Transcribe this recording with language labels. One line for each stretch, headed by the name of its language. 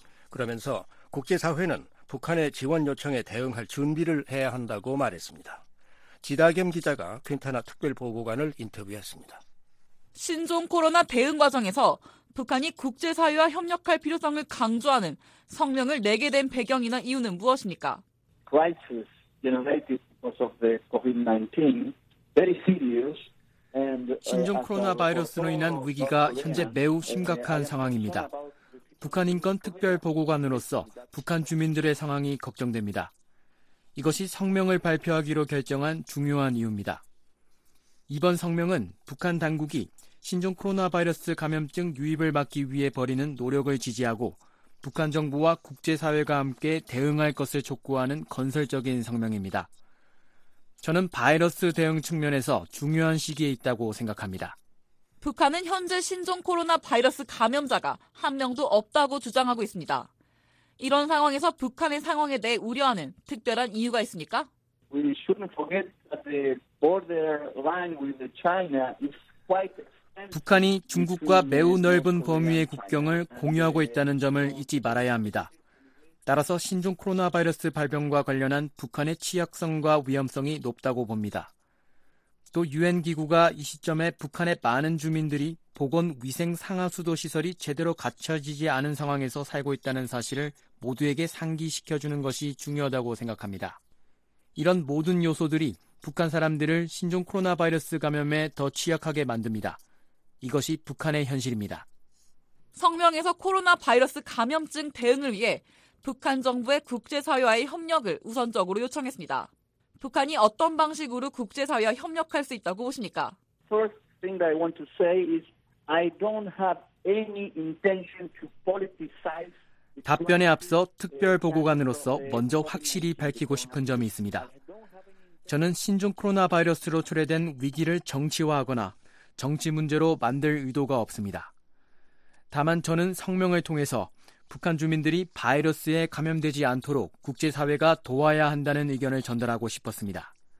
Korean: 그러면서 국제사회는 북한의 지원 요청에 대응할 준비를 해야 한다고 말했습니다. 지다겸 기자가 퀸타나 특별보고관을 인터뷰했습니다. 신종 코로나 대응 과정에서 북한이 국제사회와 협력할 필요성을 강조하는 성명을 내게 된 배경이나 이유는 무엇입니까?
English: Crisis generated because of the COVID-19, very serious.
Korean: 신종 코로나 바이러스로 인한 위기가 현재 매우 심각한 상황입니다. 북한인권특별보고관으로서 북한 주민들의 상황이 걱정됩니다. 이것이 성명을 발표하기로 결정한 중요한 이유입니다. 이번 성명은 북한 당국이 신종 코로나 바이러스 감염증 유입을 막기 위해 벌이는 노력을 지지하고 북한 정부와 국제사회가 함께 대응할 것을 촉구하는 건설적인 성명입니다. 저는 바이러스 대응 측면에서 중요한 시기에 있다고 생각합니다. 북한은 현재 신종 코로나 바이러스 감염자가 한 명도 없다고 주장하고 있습니다. 이런 상황에서 북한의 상황에 대해 우려하는 특별한 이유가 있습니까?
English: We shouldn't forget that the borderline with China is quite extensive.
Korean: 북한이 중국과 매우 넓은 범위의 국경을 공유하고 있다는 점을 잊지 말아야 합니다. 따라서 신종 코로나 바이러스 발병과 관련한 북한의 취약성과 위험성이 높다고 봅니다. 또 UN 기구가 이 시점에 북한의 많은 주민들이 보건 위생 상하수도 시설이 제대로 갖춰지지 않은 상황에서 살고 있다는 사실을 모두에게 상기시켜주는 것이 중요하다고 생각합니다. 이런 모든 요소들이 북한 사람들을 신종 코로나 바이러스 감염에 더 취약하게 만듭니다. 이것이 북한의 현실입니다. 성명에서 코로나 바이러스 감염증 대응을 위해 북한 정부의 국제사회와의 협력을 우선적으로 요청했습니다. 북한이 어떤 방식으로 국제사회와 협력할 수 있다고 보십니까?
English: first thing that I want to say is I don't have any intention to politicize.
Korean: 답변에 앞서 특별 보고관으로서 먼저 확실히 밝히고 싶은 점이 있습니다. 저는 신종 코로나 바이러스로 초래된 위기를 정치화하거나 정치 문제로 만들 의도가 없습니다. 다만 저는 성명을 통해서 북한 주민들이 바이러스에 감염되지 않도록 국제사회가 도와야 한다는 의견을 전달하고 싶었습니다.